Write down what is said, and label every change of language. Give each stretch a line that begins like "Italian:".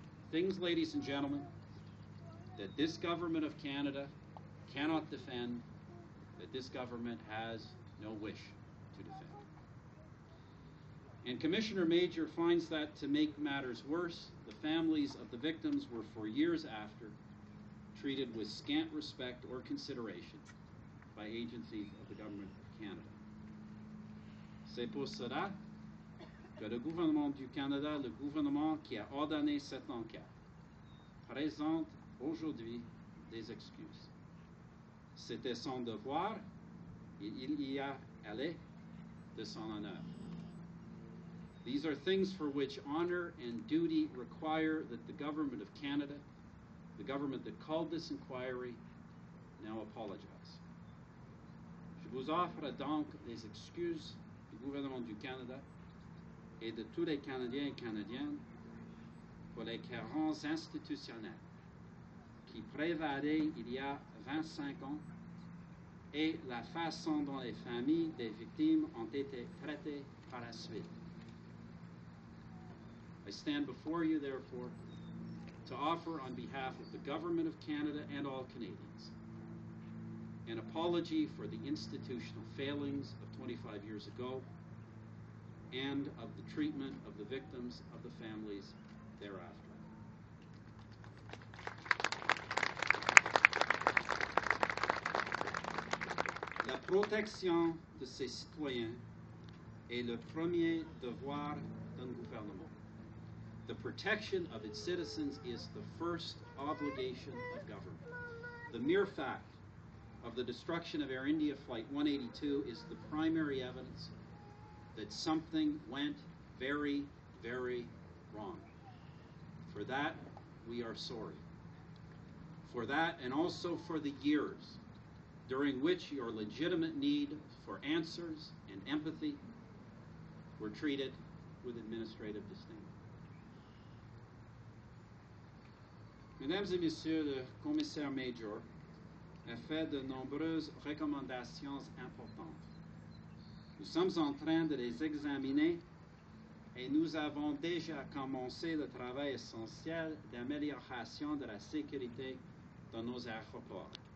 English: Things, ladies and gentlemen, that this government of Canada cannot defend, that this government has no wish to defend. And Commissioner Major finds that, to make matters worse, the families of the victims were, for years after, treated with scant respect or consideration by agencies of the government of Canada.
French: C'est pour cela que le gouvernement du Canada, le gouvernement qui a ordonné cette enquête, présente aujourd'hui des excuses. C'était son devoir et il y a allé de son honneur.
English: These are things for which honor and duty require that the government of Canada, the government that called this inquiry, now apologize.
French: Je vous offre donc les excuses du gouvernement du Canada et de tous les Canadiens et Canadiennes pour les carences institutionnelles qui prévalaient il y a 25 ans et la façon dont les familles des victimes ont été traitées par la suite.
English: I stand before you, therefore, to offer on behalf of the Government of Canada and all Canadians an apology for the institutional failings of 25 years ago and of the treatment of the victims of the families thereafter.
French: La protection de ses citoyens est le premier devoir d'un gouvernement.
English: The protection of its citizens is the first obligation of government. The mere fact of the destruction of Air India Flight 182 is the primary evidence that something went very, very wrong. For that, we are sorry. For that, and also for the years during which your legitimate need for answers and empathy were treated with administrative disdain.
French: Mesdames et messieurs, le commissaire major a fait de nombreuses recommandations importantes. Nous sommes en train de les examiner et nous avons déjà commencé le travail essentiel d'amélioration de la sécurité dans nos aéroports.